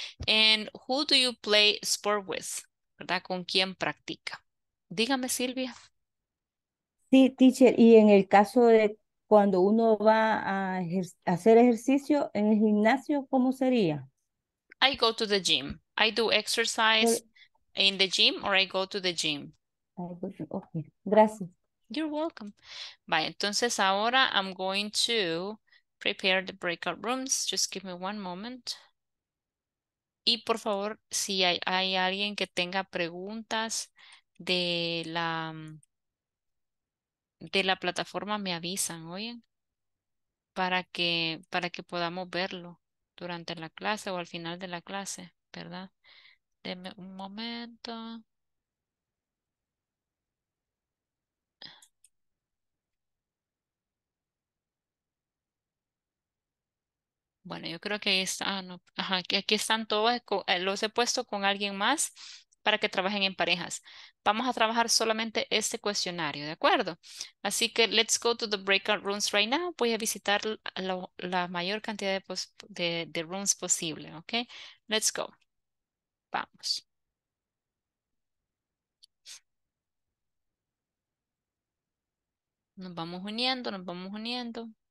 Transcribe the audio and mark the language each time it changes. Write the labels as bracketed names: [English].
[English] And who do you play sport with? [Spanish] ¿Verdad? ¿Con quién practica? Dígame, [English] Silvia. [Spanish] Sí, teacher, y en el caso de cuando uno va a hacer ejercicio en el gimnasio, ¿cómo sería? [English] I go to the gym. I do exercise in the gym or I go to the gym. [Spanish] Okay, gracias. [English] You're welcome. Bye. [Spanish] Entonces, ahora [English] I'm going to prepare the breakout rooms. Just give me one moment. [Spanish] Y por favor, si hay alguien que tenga preguntas de la plataforma, me avisan, ¿oyen? Para que podamos verlo durante la clase o al final de la clase, ¿verdad? Denme un momento. Bueno, yo creo que ahí está. Ah, no. Ajá, aquí están todos. Los he puesto con alguien más para que trabajen en parejas. Vamos a trabajar solamente este cuestionario, ¿de acuerdo? Así que [English] let's go to the breakout rooms right now. [Spanish] Voy a visitar la mayor cantidad de rooms posible, ¿ok? [English] Let's go. [Spanish] Vamos. Nos vamos uniendo.